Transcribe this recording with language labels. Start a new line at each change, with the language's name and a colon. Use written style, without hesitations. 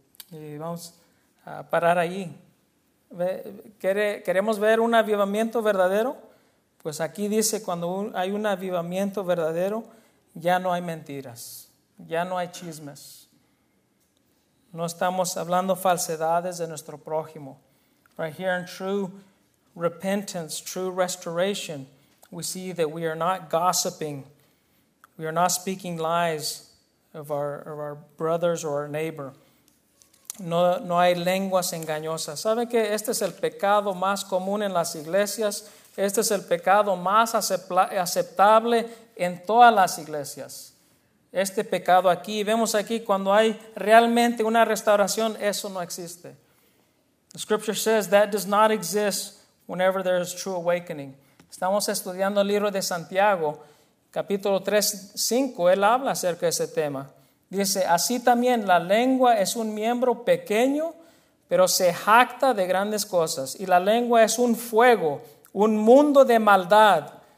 Spanish: Y vamos a parar ahí. ¿Queremos ver un avivamiento verdadero? Pues aquí dice, cuando hay un avivamiento verdadero, ya no hay mentiras, ya no hay chismes. No estamos hablando falsedades de nuestro prójimo.
English: Right here in true repentance, true restoration, we see that we are not gossiping. We are not speaking lies of our brothers or our neighbor.
Spanish: No hay lenguas engañosas. ¿Saben que este es el pecado más común en las iglesias? Este es el pecado más aceptable en todas las iglesias. Este pecado aquí, vemos aquí, cuando hay realmente una restauración, eso no existe.
English: The scripture says that does not exist whenever there is true awakening.
Spanish: Estamos estudiando el libro de Santiago, capítulo 3, 5, él habla acerca de ese tema. Dice, así también la lengua es un miembro pequeño, pero se jacta de grandes cosas. Y la lengua es un fuego, un mundo de maldad.